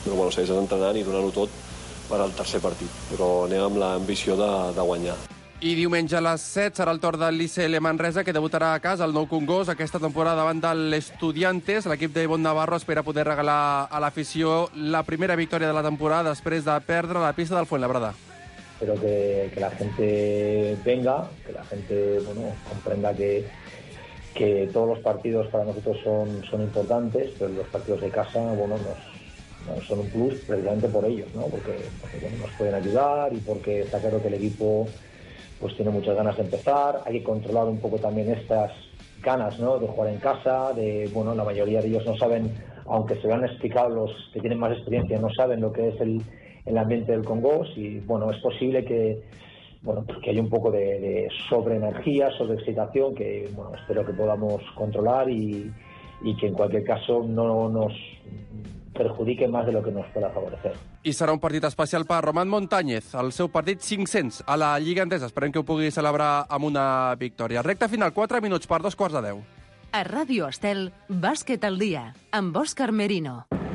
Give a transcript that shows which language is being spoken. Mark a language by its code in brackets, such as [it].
[ca] Però, bueno, segueixes entrenant i donant-ho tot per al tercer partit. Però anem amb l'ambició de guanyar. I diumenge a les 7 serà el torn de l'ICL Manresa, que debutarà a casa el nou Congost aquesta temporada davant de l'Estudiantes. L'equip de Ibon Navarro espera poder regalar a l'afició la primera victòria de la temporada després de perdre la pista del Fuenlabrada. [es] Espero que la gente venga, que la gente, bueno, comprenda que todos los partidos para nosotros son importantes, pero los partidos de casa, bueno, no son un plus precisamente por ellos, ¿no? Porque bueno, nos pueden ayudar y porque está claro que el equipo pues tiene muchas ganas de empezar. Hay que controlar un poco también estas ganas, ¿no?, de jugar en casa, de, bueno, la mayoría de ellos no saben, aunque se lo han explicado los que tienen más experiencia, no saben lo que es el ambiente del Congost, y bueno, es posible que, bueno, pues que haya un poco de sobreenergía, sobreexcitación, que bueno, espero que podamos controlar y que en cualquier caso no nos perjudique más de lo que nos pueda favorecer. [ca] I serà un partit especial per Román Montáñez, el seu partit 500 a la Lliga Endesa. Esperem que ho pugui celebrar amb una victòria. Recta final, 4 minuts per 2:15. A Ràdio Estel, Bàsquet al dia, amb Òscar Merino.